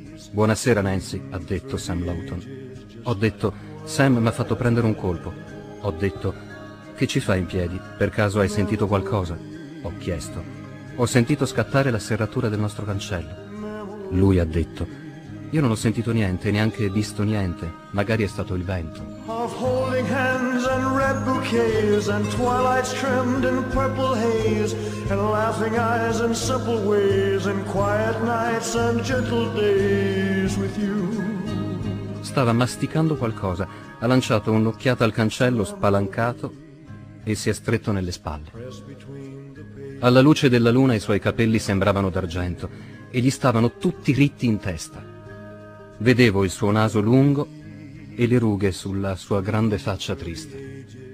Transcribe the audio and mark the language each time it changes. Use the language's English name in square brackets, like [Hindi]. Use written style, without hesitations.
[Italian] «Buonasera, Nancy», ha detto Sam Lawton. Ho detto, «Sam mi ha fatto prendere un colpo». Ho detto, «Che ci fai in piedi? Per caso hai sentito qualcosa?» Ho chiesto. «Ho sentito scattare la serratura del nostro cancello». Lui ha detto, «Io non ho sentito niente, neanche visto niente. Magari è stato il vento». [English] Of holding hands and red bouquets and twilights trimmed in purple haze and laughing eyes and simple ways and quiet nights and gentle days with you. [Italian] Stava masticando qualcosa, ha lanciato un'occhiata al cancello spalancato e si è stretto nelle spalle. Alla luce della luna i suoi capelli sembravano d'argento e gli stavano tutti ritti in testa. Vedevo il suo naso lungo e le rughe sulla sua grande faccia triste.